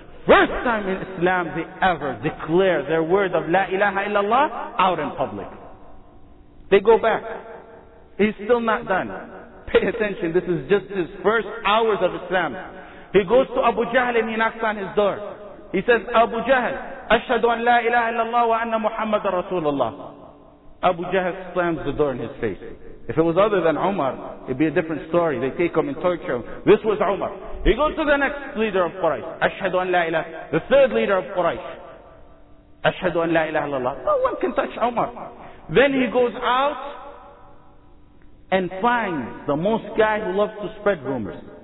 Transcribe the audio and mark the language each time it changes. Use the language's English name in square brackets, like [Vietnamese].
[English] First time in Islam they ever declare their word of La ilaha illallah out in public. They go back. He's still not done. Pay attention. This is just his first hours of Islam. He goes to Abu Jahl and he knocks on his door. He says, "Abu Jahl, [Arabic] أشهد أن لا إله إلا الله وأن محمد رسول الله. [English] Abu Jahl slams the door in his face. If it was other than Umar, it'd be a different story. They take him and torture him. This was Umar. He goes to the next leader of Quraysh. [Arabic] Ashhadu an la ilaha. [English] The third leader of Quraysh. [Arabic] Ashhadu an la ilaha illallah. [English] No one can touch Umar. Then he goes out and finds the most guy who loves to spread rumors.